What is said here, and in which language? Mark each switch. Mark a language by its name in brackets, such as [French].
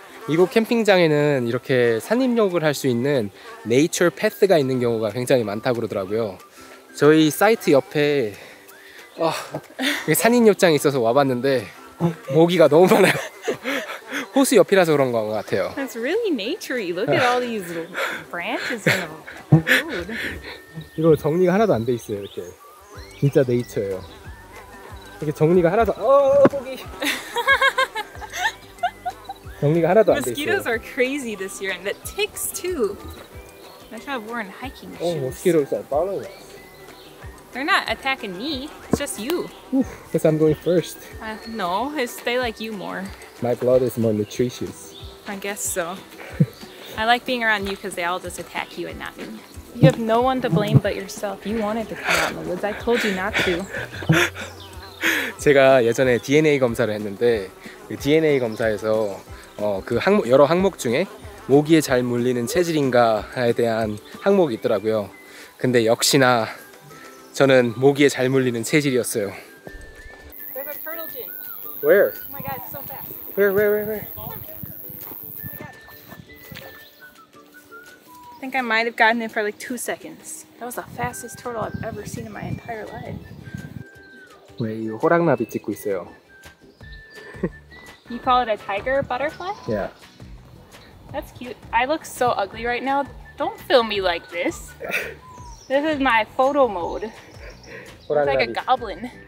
[Korean] 이곳 캠핑장에는 이렇게 산림욕을 할 수 있는 네이처 패스가 있는 경우가 굉장히 많다고 그러더라고요. 저희 사이트 옆에 산림욕장이 있어서 와봤는데 모기가 너무 많아요. 호수 옆이라서 그런 것 같아요. [English] That's really nature-y. Look at all these branches in the road. [Korean] 이거 정리가 하나도 안 돼 있어요, 이렇게. 진짜 네이처예요. 이렇게 정리가 하나도 고기 정리가 하나도 안 됐어요. [English] Mosquitoes are crazy this year, and the ticks too. I should have worn hiking shoes. Oh, mosquitoes are following us. They're not attacking me. It's just you. Because I'm going first. No, it's they like you more. My blood is more nutritious. I guess so. I like being around you because they all just attack you and not me. You have no one to blame but yourself. You wanted to come out in the woods. I told you not to. [Korean] 제가 예전에 DNA 검사를 했는데 그 DNA 검사에서 그 항목, 여러 항목 중에 모기에 잘 물리는 체질인가에 대한 항목이 있더라고요. 근데 역시나 저는 모기에 잘 물리는 체질이었어요. [English] There's a turtle gin. Where? Oh my god, it's so fast. Where? I think I might have gotten it for like 2 seconds. That was the fastest turtle I've ever seen in my entire life. [Korean] 왜 이 호랑나비 찍고 있어요? [English] You call it a tiger butterfly? Yeah. That's cute. I look so ugly right now. Don't film me like this. This is my photo mode. It's like a goblin.